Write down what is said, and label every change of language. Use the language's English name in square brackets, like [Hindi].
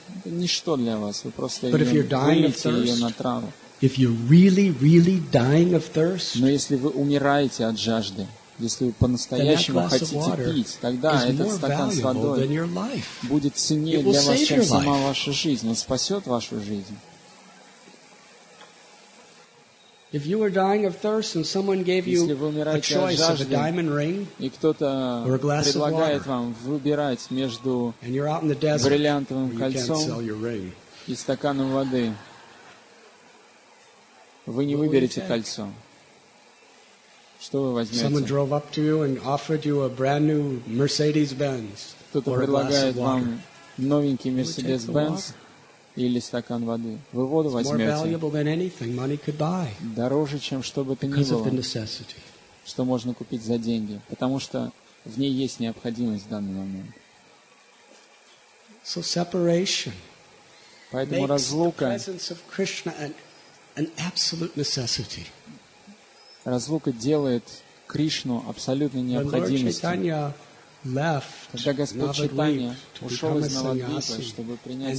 [Russian] Это ничто для вас. Вы просто вылейте ее на траву. [English] If you're really, really dying of thirst, [Russian] но если вы умираете от жажды, если вы по-настоящему хотите пить, тогда этот стакан с водой будет ценнее для вас, чем сама ваша жизнь. Он спасет вашу жизнь. [English] If you were dying of thirst and someone gave you a choice of a diamond ring or a glass of water, and you're out in the desert, and you can't sell your ring, [Russian] и стаканом воды, вы не выберете кольцо. Что вы возьмете? [English] Someone drove up to you and offered you a brand new Mercedes-Benz. [Russian] Кто-то предлагает вам новенький Mercedes-Benz или стакан воды. Вы воду возьмете. [English] More valuable than anything money could buy. [Russian] Дороже, чем что бы то ни было. [English] Because of the necessity. [Russian] Что можно купить за деньги, потому что в ней есть необходимость в данный момент. [English] So separation. [Russian] Поэтому разлука. [English] Makes the presence of Krishna an absolute necessity. [Russian] Разлука делает Кришну абсолютной необходимостью. Когда Господь Чайтанья ушел из Навадвипы, чтобы принять